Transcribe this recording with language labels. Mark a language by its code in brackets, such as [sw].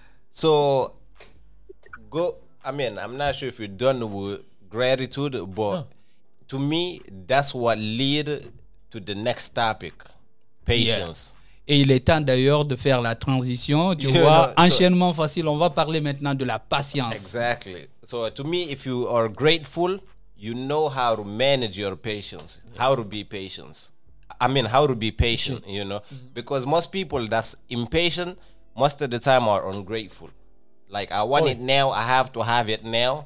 [en] So, I'm not sure if you're done with gratitude, but to me, that's what lead to the next topic. Patience. Yeah. [fr] Et il est temps d'ailleurs de faire la transition, tu vois, enchaînement facile. On va parler maintenant de la patience. [en] Exactly. So to me, if you are grateful, you know how to manage your patience, how to be patient, you know, because most people that's impatient, most of the time are ungrateful. Like, I want it now, I have to have it now.